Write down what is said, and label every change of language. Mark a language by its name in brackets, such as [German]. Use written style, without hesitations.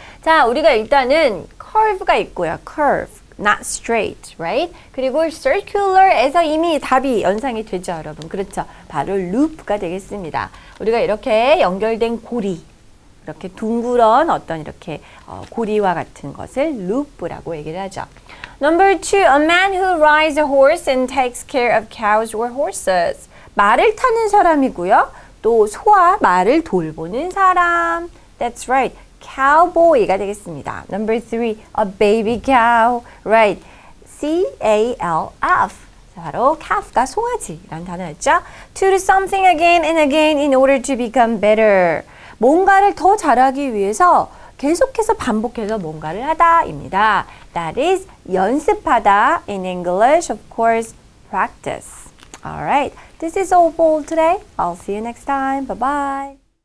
[Korean] 자, 우리가 일단은 curve가 있고요. Curve. [English] Not straight, right? [Korean] 그리고 circular에서 이미 답이 연상이 되죠, 여러분. 그렇죠. 바로 loop가 되겠습니다. 우리가 이렇게 연결된 고리, 이렇게 둥그런 어떤 이렇게 고리와 같은 것을 loop라고 얘기를 하죠. [English] Number two, a man who rides a horse and takes care of cows or horses. [Korean] 말을 타는 사람이고요. 또 소와 말을 돌보는 사람. [English] That's right. Cowboy가 [Korean] 되겠습니다. [English] Number three, a baby cow, right? [Korean] C-A-L-F. 바로 calf가 송아지라는 단어였죠. [English] To do something again and again in order to become better. [Korean] 뭔가를 더 잘하기 위해서 계속해서 반복해서 뭔가를 하다입니다. [English] That is 연습하다 in English, of course, practice. All right, this is all for today. I'll see you next time. Bye-bye.